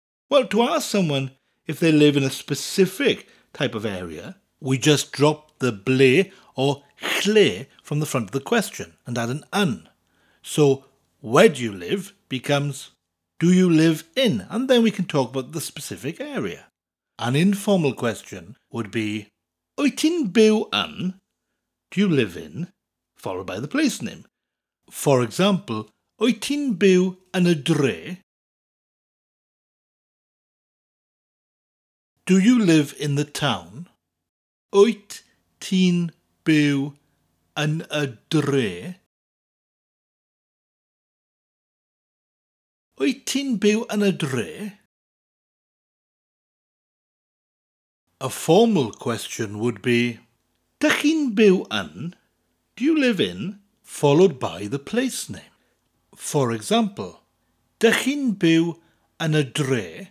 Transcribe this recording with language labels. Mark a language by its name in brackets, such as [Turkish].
[English] Well, to ask someone if they live in a specific type of area, we just drop the ble or chle from the front of the question and add an un. So, where do you live becomes, do you live in? And then we can talk about the specific area. An informal question would be, [Welsh] wyt ti'n byw yn? [English] Do you live in? Followed by the place name. For example, [Welsh] wyt ti'n byw yn y dre? [English] Do you live in the town? [Welsh] Wyt ti'n byw yn y dre? Wyt ti'n byw yn y dre? [English] A formal question would be, [Welsh] Dych chi'n byw yn? [English] Do you live in? Followed by the place name. For example, [Welsh] Dych chi'n byw yn y dre?